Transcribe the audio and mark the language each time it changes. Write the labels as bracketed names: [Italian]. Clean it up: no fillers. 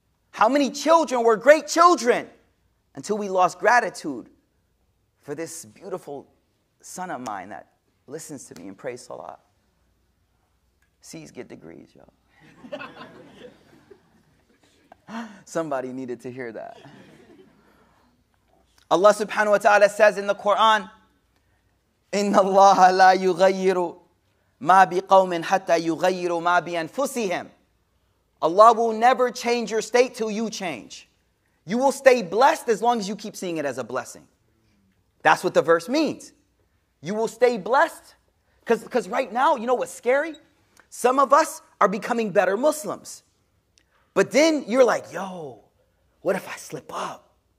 [English] How many children were great children until we lost gratitude for this beautiful son of mine that listens to me and prays salah? C's get degrees, yo. Somebody needed to hear that. Allah subhanahu wa ta'ala says in the Quran, [Arabic] إِنَّ اللَّهَ لَا يُغَيِّرُ مَا بِقَوْمٍ حَتَّى يُغَيِّرُ مَا بِأَنفُسِهِمْ. [English] Allah will never change your state till you change. You will stay blessed as long as you keep seeing it as a blessing. That's what the verse means. You will stay blessed. Because right now, you know what's scary? Some of us are becoming better Muslims. But then you're like, yo, what if I slip up?